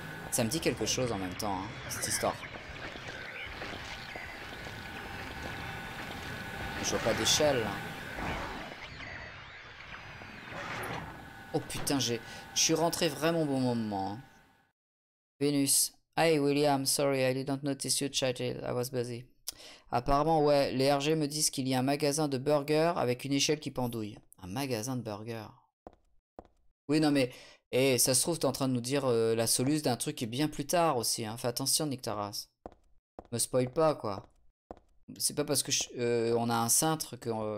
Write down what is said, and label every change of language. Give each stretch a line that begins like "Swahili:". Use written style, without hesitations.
French: Ça me dit quelque chose en même temps, hein, cette histoire. Je vois pas d'échelle, là. Oh putain, je suis rentré vraiment au bon moment. Vénus.
English: Hey William, sorry, I didn't notice you chatted. I was busy.
French: Apparemment, ouais, les RG me disent qu'il y a un magasin de burgers avec une échelle qui pendouille. Un magasin de burgers. Oui, non mais... Eh, ça se trouve, t'es en train de nous dire la solution d'un truc qui est bien plus tard aussi. Hein. Fais attention, Nick Taras. Me spoil pas, quoi. C'est pas parce que on a un cintre que...